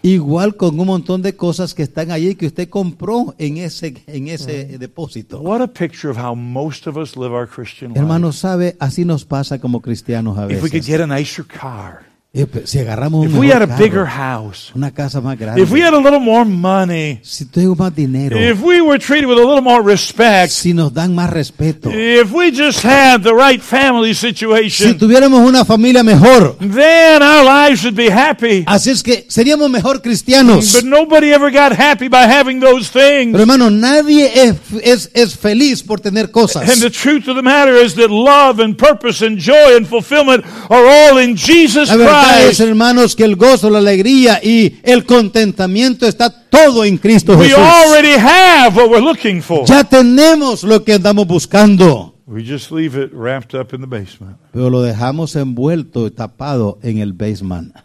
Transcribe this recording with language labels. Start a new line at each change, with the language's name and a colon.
Spanish: Igual con un montón de cosas que están allí que usted compró en ese depósito.
English: What a picture of how most of us live our Christian life.
Spanish: Hermano, sabe, así nos pasa como cristianos a veces.
English: If we could get a nicer car.
Spanish: Si agarramos
English: if we had a bigger house,
Spanish: una casa más grande,
English: if we had a little more money,
Spanish: si tengo más dinero,
English: if we were treated with a little more respect,
Spanish: si nos dan más respeto,
English: if we just had the right family situation,
Spanish: si tuviéramos una familia mejor,
English: then our lives would be happy.
Spanish: Así es que seríamos mejor cristianos.
English: But nobody ever got happy by having those things.
Spanish: Pero hermano, nadie es feliz por tener cosas.
English: And the truth of the matter is that love and purpose and joy and fulfillment are all in Jesus Christ.
Spanish: La verdad es, hermanos, que el gozo, la alegría y el contentamiento está todo en Cristo Jesús.
English: We already have what we're looking for.
Spanish: Ya tenemos lo que andamos buscando.
English: We just leave it wrapped up in the basement.
Spanish: Pero lo dejamos envuelto y tapado en el basement.